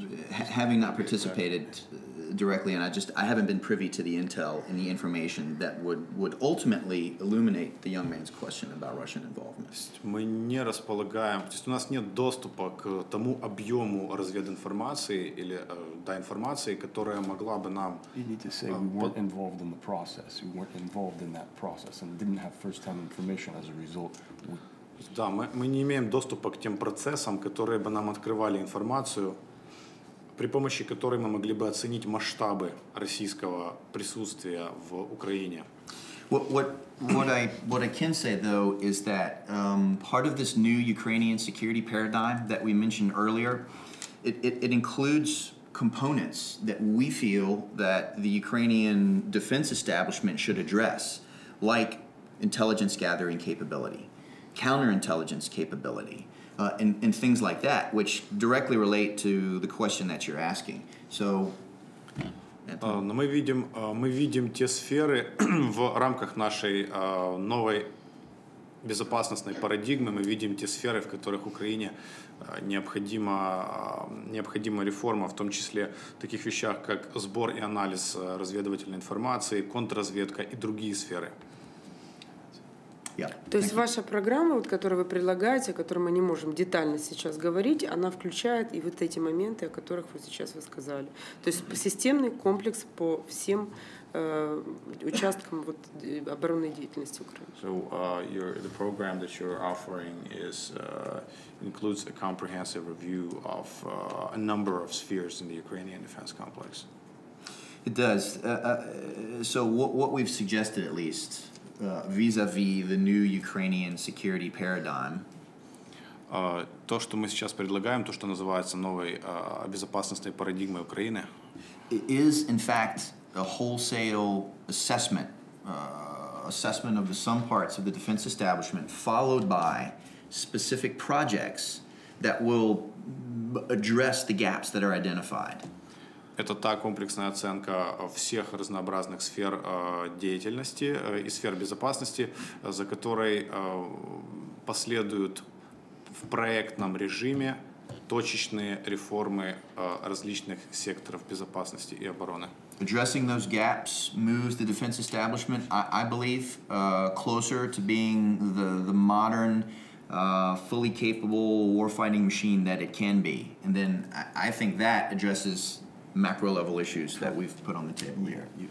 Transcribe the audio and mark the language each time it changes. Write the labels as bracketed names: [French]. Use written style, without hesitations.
[English] Having not participated directly, and I haven't been privy to the intel and the information that would ultimately illuminate the young man's question about Russian involvement. [Russian] Мы не располагаем, то есть у нас нет доступа к тому объему развединформации или да информации, которая могла бы нам. [English] You need to say we weren't involved in the process. We weren't involved in that process and didn't have first-hand information as a result. [Russian] Да, мы не имеем доступа к тем процессам, которые бы нам открывали информацию, при помощи которой мы могли бы оценить масштабы российского присутствия в Украине. [English] What I can say though is that part of this new Ukrainian security paradigm that we mentioned earlier, it includes components that we feel that the Ukrainian defense establishment should address, like intelligence gathering capability, counterintelligence capability, and things like that, which directly relate to the question that you're asking. So, [Russian] но мы видим те сферы в рамках нашей новой безопасностной парадигмы. Мы видим те сферы, в которых Украине необходима реформа, в том числе в таких вещах, как сбор и анализ разведывательной информации, контрразведка и другие сферы. То есть ваша программа, вот, которую вы предлагаете, о которой мы не можем детально сейчас говорить, она включает и вот эти моменты, о которых вы сейчас вы сказали. То есть системный комплекс по всем участкам вот, оборонной деятельности Украины. [English] So the program that you're offering is includes a comprehensive review of a number of spheres in the Ukrainian defense complex. It does. So what we've suggested, at least, vis-a-vis the new Ukrainian security paradigm. [Russian] То, что мы сейчас предлагаем, то, что называется новой безопасностной парадигмой Украины. [English] It is, in fact, a wholesale assessment, assessment of the some parts of the defense establishment, followed by specific projects that will address the gaps that are identified. [Russian] Это та комплексная оценка всех разнообразных сфер деятельности и сфер безопасности, за которой последуют в проектном режиме точечные реформы различных секторов безопасности и обороны. [English] Addressing those gaps moves the defense establishment, I believe, closer to being the modern, fully capable warfighting machine that it can be. And then I think that addresses macro level issues that we've put on the table here.